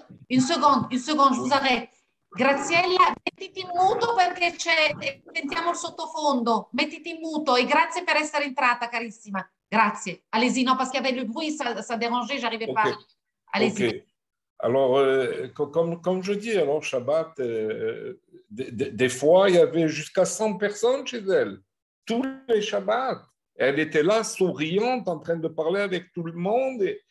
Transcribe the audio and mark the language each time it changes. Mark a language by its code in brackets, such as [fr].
[fr] Une seconde, je vous arrête. [it] Graziella, mettiti in muto perché sentiamo il sottofondo. Mettiti in muto e grazie per essere entrata, carissima. Grazie. [fr] Allez-y, no, parce qu'avec le bruit, ça dérangeait, j'arrive pas. Okay. Allez-y. Okay. Alors, comme je dis, alors Shabbat, des fois, il y avait jusqu'à 100 personnes chez elle. tous les Shabbats. Elle était là, souriante, en train de parler avec tout le monde.